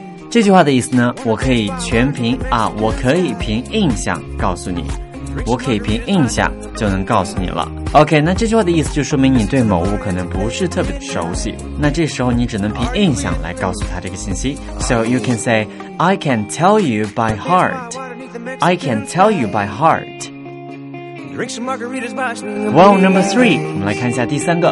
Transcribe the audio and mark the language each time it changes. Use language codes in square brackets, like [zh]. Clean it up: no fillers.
[zh] 这句话的意思呢，我可以全凭啊，我可以凭印象告诉你。我可以凭印象就能告诉你了。OK, 那这句话的意思就说明你对某物可能不是特别熟悉，那这时候你只能凭印象来告诉他这个信息。 [en] So you can say I can tell you by heart. I can tell you by heart. [zh] Well, number 3, 我们来看一下第三个。